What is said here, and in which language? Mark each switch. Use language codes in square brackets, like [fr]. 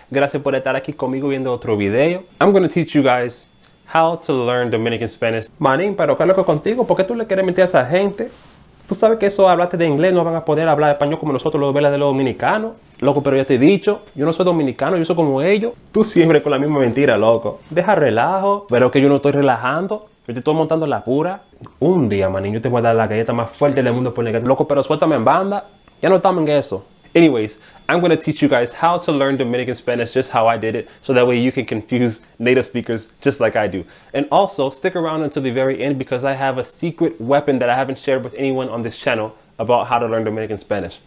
[es] Gracias por estar aquí conmigo viendo otro video. [en] I'm going to teach you guys how to learn Dominican Spanish. [es] Manín, pero ¿qué es lo que contigo? ¿Por qué tú le quieres mentir a esa gente? Tú sabes que esos hablantes de inglés no van a poder hablar español como nosotros los velas de los dominicanos. Loco, pero ya te he dicho, yo no soy dominicano, yo soy como ellos. Tú siempre con la misma mentira, loco. Deja relajo. Pero que yo no estoy relajando. Yo te estoy montando la pura. Un día, manín, yo te voy a dar la galleta más fuerte del mundo por negativo. Loco, pero suéltame en banda. Ya no estamos en eso. [en] Anyways, I'm going to teach you guys how to learn Dominican Spanish just how I did it, so that way you can confuse native speakers just like I do. And also, stick around until the very end because I have a secret weapon that I haven't shared with anyone on this channel about how to learn Dominican Spanish.